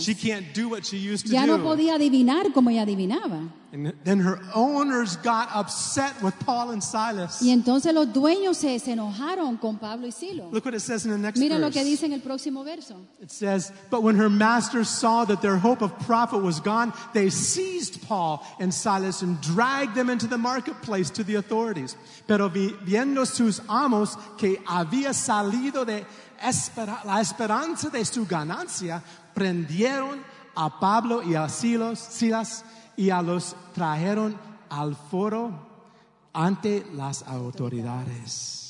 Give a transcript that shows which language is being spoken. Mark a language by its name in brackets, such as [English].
[English] She can't do what she used to do. [Spanish] Ya no podía adivinar como ella adivinaba. [English] And then her owners got upset with Paul and Silas. [Spanish] Y entonces los dueños se enojaron con Pablo y Silo. [English] Look what it says in the next [Spanish] Mira [English] verse. [Spanish] Lo que dice en el próximo verso. [English] It says, but when her masters saw that their hope of profit was gone, they seized Paul and Silas and dragged them into the marketplace to the authorities. [Spanish] Pero viendo sus amos que había salido de la esperanza de su ganancia, prendieron a Pablo y a Silas y a los trajeron al foro ante las autoridades.